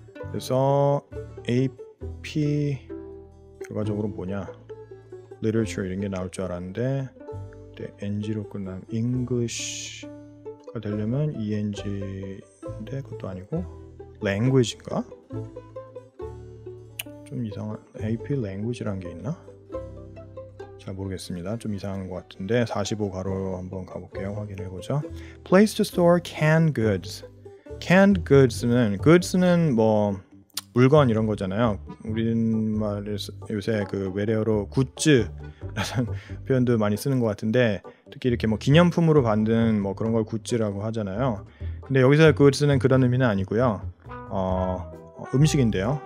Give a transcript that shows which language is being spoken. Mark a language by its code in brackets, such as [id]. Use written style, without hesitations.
[ko] 그래서 AP 결과적으로 뭐냐 Literature 이런 게 나올 줄 알았는데 네, NG로 끝난 English가 되려면 ENG인데 그것도 아니고 Language인가? 좀 이상한 AP Language란 게 있나? 잘 모르겠습니다. 좀 이상한 것 같은데 45가로 한번 가볼게요. 확인해보죠. [en] Place to store canned goods. [ko] Canned goods는 goods는 뭐 물건 이런 거잖아요. 우리말에서 요새 그 외래어로 굿즈라는 표현도 많이 쓰는 것 같은데 특히 이렇게 뭐 기념품으로 만든 뭐 그런 걸 굿즈라고 하잖아요. 근데 여기서 goods는 그런 의미는 아니고요. 음식인데요.